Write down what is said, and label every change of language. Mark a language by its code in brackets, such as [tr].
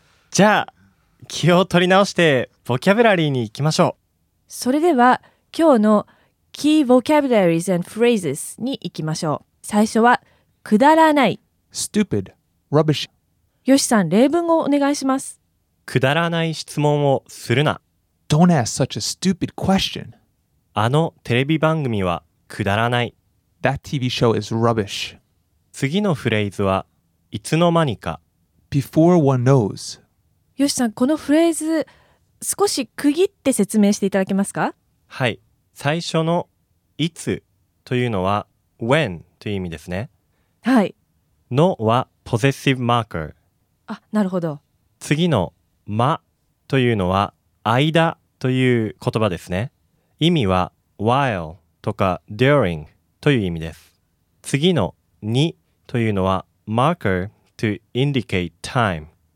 [ja] じゃあ、気を取り直してボキャブラリーに行きましょう。それでは、今日の [en] Key Vocabularies and Phrases [ja] に行きましょう。最初は、くだらない。 [en] Stupid. Rubbish. [ja] ヨシさん、例文をお願いします。くだらない質問をするな。 [en] Don't ask such a stupid question. [ja] あのテレビ番組はくだらない。 [en] That TV show is rubbish. [ja] 次のフレーズはいつの間にか。 [en] Before one knows. [ja] ヨシさん、このフレーズ少し区切って説明していただけますか? はい。最初のいつというのは when という意味ですね。はい。のは [en] possessive marker。 [ja] あ、なるほど。次のまというのは間という言葉ですね。意味は while とか during という意味です。次のにというのは [en] marker to indicate time。